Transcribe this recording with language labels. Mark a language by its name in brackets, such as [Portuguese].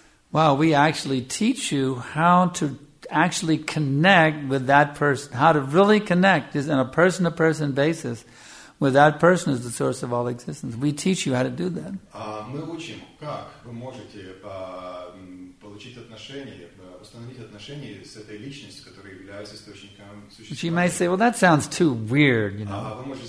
[English] Well, we actually teach you how to actually connect with that person, how to really connect is on a person-to-person basis with that person who's the source of all existence. We teach you how to do that. [Russian] Мы учим, как вы можете получить отношения. [English] But you might say, well, that sounds too weird, you know.